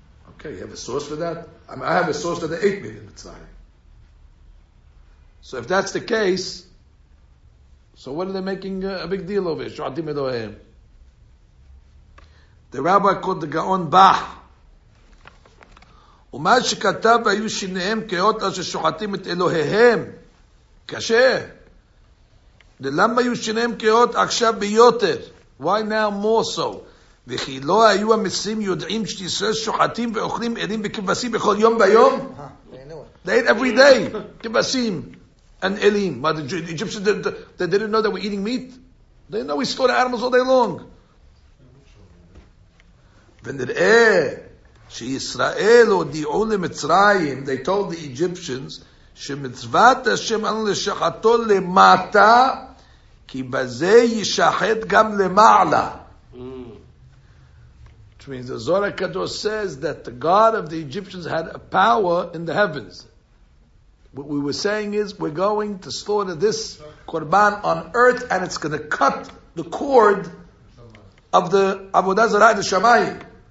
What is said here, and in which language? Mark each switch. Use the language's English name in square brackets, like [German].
[English] Okay, you have a source for that? I mean, I have a source that they ate meat in Mitzrayim. So if that's the case, so what are they making a big deal of it? The rabbi called the Gaon Bach. [Hebrew] ומה שכתב היו שיניהם כאות אשר שוחטים את אלוהיהם. קשה. ללמה היו שיניהם כאות עכשיו ביותר? [English] Why now more so? [Hebrew] וכי לא היו המסים יודעים שישראל שוחטים ואוכלים אלים וכבשים בכל יום ויום? [English] They ate every day. [Hebrew] כבשים and אלים. [English] But the Egyptians, they didn't know that we're eating meat. They know we slaughter animals all day long. [Hebrew] ונראה שישראל הודיעו למצרים, [English] they told the Egyptians, [Hebrew] שמצוות השם אנו לשחטו למטה, כי בזה ישחט גם למעלה. [English] Which means the Zohar Kadosh says that the God of the Egyptians had a power in the heavens. What we were saying is, we're going to slaughter this korban on earth, and it's going to cut the cord of the Avodah Zarah in the Shamayim.